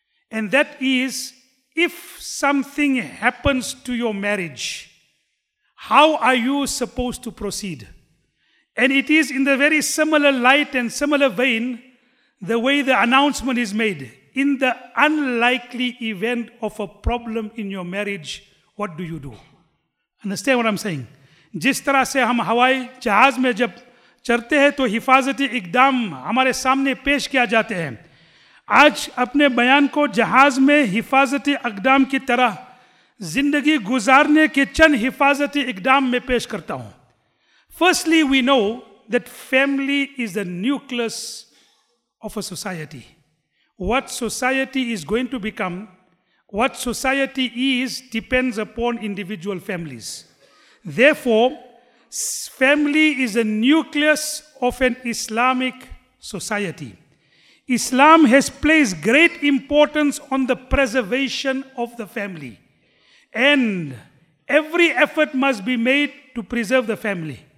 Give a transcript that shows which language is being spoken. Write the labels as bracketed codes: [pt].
[en] And that is, if something happens to your marriage, how are you supposed to proceed? And it is in the very similar light and similar vein, the way the announcement is made. In the unlikely event of a problem in your marriage, what do you do? Understand what I'm saying? [ur] جس طرح سے ہم ہوائی جہاز میں جب چڑھتے ہیں تو حفاظتی اقدام ہمارے سامنے پیش کیا جاتے ہیں، آج اپنے بیان کو جہاز میں حفاظتی اقدام کی طرح زندگی گزارنے کے چند حفاظتی اقدام میں پیش کرتا ہوں. [en] Firstly, we know that family is the nucleus of a society. What society is going to become, what society is, depends upon individual families. Therefore, family is a nucleus of an Islamic society. Islam has placed great importance on the preservation of the family, and every effort must be made to preserve the family.